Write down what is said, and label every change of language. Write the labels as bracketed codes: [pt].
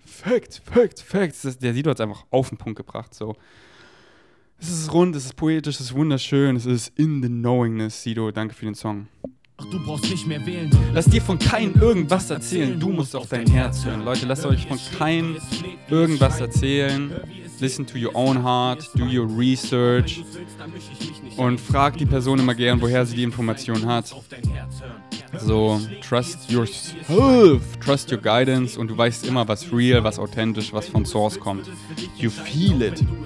[de] Der Sido hat es einfach auf den Punkt gebracht. So. Es ist rund, es ist poetisch, es ist wunderschön, es ist [en] in the knowingness, [de] Sido. Danke für den Song. Ach, du brauchst nicht mehr wählen. Lass dir von keinem irgendwas erzählen, du musst auf dein Herz hören. Leute, lasst euch von keinem irgendwas erzählen. [en] Listen to your own heart, do your research. [de] Und frag die Person immer gern, woher sie die Information hat. So, [en] trust your guidance [de] und du weißt immer, was real, was authentisch, was von Source kommt. [en] You feel it.